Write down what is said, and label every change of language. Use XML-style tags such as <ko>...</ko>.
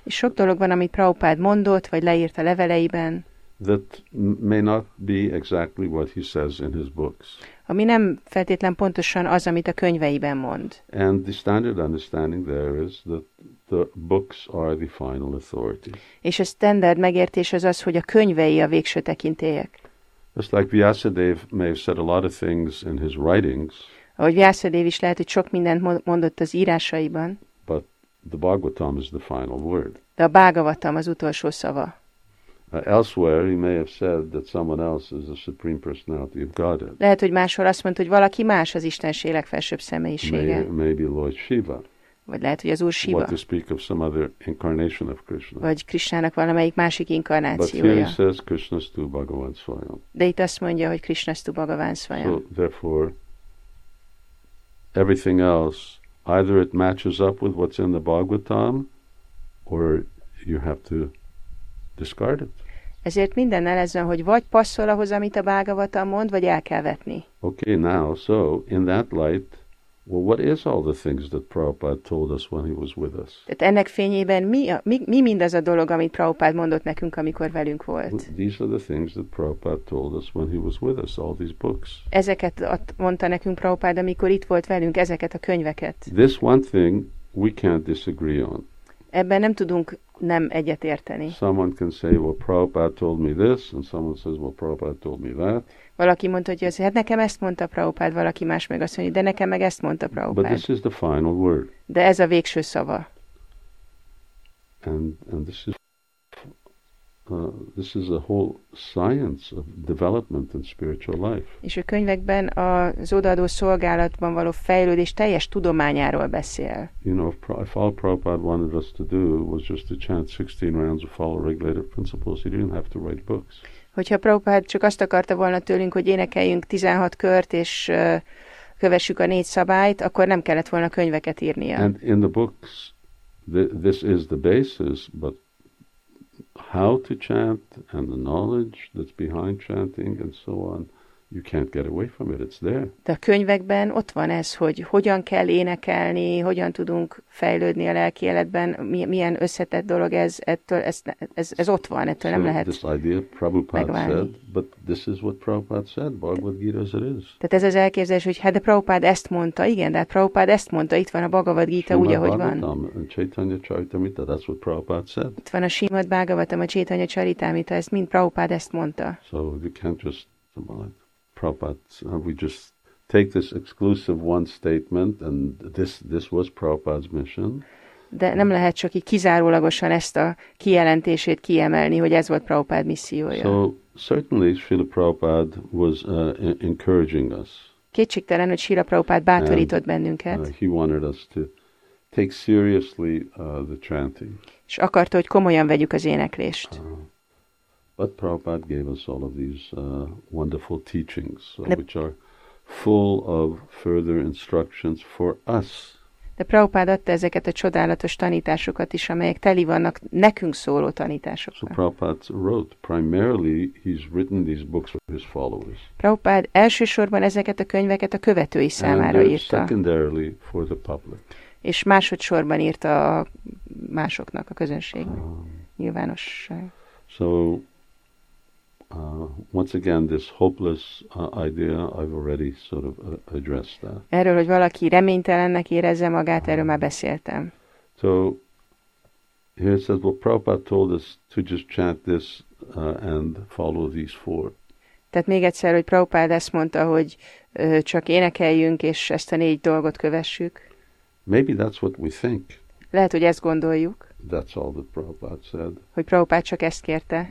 <hu>És sok dolog van, amit Prabhupada mondott, vagy leírt a leveleiben.</hu> <en>That may not be exactly what he says in his books.</en> <hu>Ami nem feltétlen pontosan az, amit a könyveiben mond.</hu> <en>And the standard understanding there is that the books are the final authority.</en> <hu>És a standard megértés az az, hogy a könyvei a végső tekintélyek.</hu> <en>Just like Vyasadev may have said a lot of things in his writings.</en> <hu>Ahogy Vyasadev is lehet, hogy sok mindent mondott az írásaiban.</hu> <en>But the Bhagavatam is the final word.</en> <hu>De a Bhagavatam az utolsó szava.</hu> <en>Elsewhere he may have said that someone else is the supreme personality of Godhead.</en> <hu>Lehet, hogy máshol azt mondta, hogy valaki más az Istenség legfelsőbb személyisége.</hu> <en>Maybe Lord Shiva.</en> <hu>Vagy lehet, hogy az Úr Shiva.</hu> <en>What to speak of some other incarnation of Krishna.</en> <hu>Vagy Krishnának valamelyik másik inkarnációja.</hu> <en>But here he says</en> <sa>Krishna stu Bhagavan Svayam.</sa> <hu>De itt azt mondja, hogy</hu> <sa>Krishna stu Bhagavan Svayam.</sa> <en>So therefore everything else, either it matches up with what's in the Bhagavatam, or you have to discard it.</en> <hu>Ezért minden elezzen, hogy vagy passzol ahhoz, amit a Bhagavatam mond, vagy el kell vetni.</hu> <en>Okay, now, so, in that light, well, what is all the things that Prabhupada told us when he was with us?</en> <hu>Tehát ennek fényében mi mindaz a dolog, amit Prabhupada mondott nekünk, amikor velünk volt?</hu> <en>Well, these are the things that Prabhupada told us when he was with us, all these books.</en> <hu>Ezeket mondta nekünk Prabhupada, amikor itt volt velünk, ezeket a könyveket.</hu> <en>This one thing we can't disagree on.</en> <hu>Ebben nem tudunk nem egyet érteni.</hu> <en>Someone can say, well, Prabhupada told me this, and someone says, well, Prabhupada told me that.</en> <hu>Valaki mondta, hogy azért, hát nekem ezt mondta Prabhupada, valaki más meg azt mondja, de nekem meg ezt mondta Prabhupada.</hu> <en>But this is the final word.</en> <hu>De ez a végső szava.</hu> <en>And this is a whole science of development in spiritual life.</en> <hu>És a könyvekben az odaadó szolgálatban való fejlődés teljes tudományáról beszél.</hu> <en>You know, if all Prabhupada wanted us to do was just to chant 16 rounds of follow regulative principles, he didn't have to write books.</en> <hu>Hogyha Prabhupada csak azt akarta volna tőlünk, hogy énekeljünk 16 kört és kövessük a 4 szabályt, akkor nem kellett volna könyveket írnia.</hu> <en>And in the books, this is the basis, but how to chant and the knowledge that's behind chanting and so on, you can't get away from it, it's there.</en> <hu>De a könyvekben ott van ez, hogy hogyan kell énekelni, hogyan tudunk fejlődni a lelki életben, milyen összetett dolog ez, ettől ez ott van, ettől</hu> <en>so</en> <hu>nem lehet</hu> <en>this idea, Prabhupada</en> <hu>megválni.</hu> <en>Said, but this is what Prabhupada said, Bhagavad Gita as it is.</en> <hu>Tehát ez az elképzelés, hogy hát de Prabhupada ezt mondta, igen, de hát Prabhupada ezt mondta, itt van a Bhagavad Gita, úgy, ahogy van.</hu> <en>And Chaitanya Charitamrita, that's what Prabhupada said.</en> <hu>Itt van a Srimad Bhagavatam, a Chaitanya Charitamrita, ezt mind Prabhupada ezt mondta.</hu> <en>So you can't just Prabhupada, we just take this exclusive one statement, and this was Prabhupada's mission.</en> <hu>De nem lehet csak így kizárólagosan ezt a kijelentését kiemelni, hogy ez volt Prabhupada missziója.</hu> <en>So certainly Srila Prabhupada was encouraging us.</en> <hu>Kétségtelen, hogy Srila Prabhupada bátorított bennünket.</hu> <en>He wanted us to take seriously the chanting.</en> <hu>És akarta, hogy komolyan vegyük az éneklést.</hu> <en>But Prabhupada gave us all of these wonderful teachings, which are full of further instructions for us.</en> <hu>De Prabhupád adta ezeket a csodálatos tanításokat is, amelyek teli vannak nekünk szóló tanításokkal.</hu> <en>So Prabhupád wrote, primarily he's written these books for his followers.</en> <hu>Prabhupád elsősorban ezeket a könyveket a követői számára</hu> <en>and</en> <hu>írta.</hu> <en>Secondarily for the public.</en> <hu>És másodszorban írta a másoknak, a közönségnek, nyilvánosság.</hu> <en>So, once again, this hopeless idea, I've already sort of addressed that.</en> <hu>Erről, hogy valaki reménytelennek érezze magát, erről már beszéltem.</hu> <en>So, here it says, well, Prabhupada told us to just chant this and follow these four.</en> <hu>Tehát még egyszer, hogy Prabhupád ezt mondta, hogy csak énekeljünk, és ezt a négy dolgot kövessük.</hu> <en>Maybe that's what we think.</en> <hu>Lehet, hogy ezt gondoljuk.</hu> <en>That's all that Prabhupada said.</en> <hu>Hogy Prabhupád csak ezt kérte.</hu>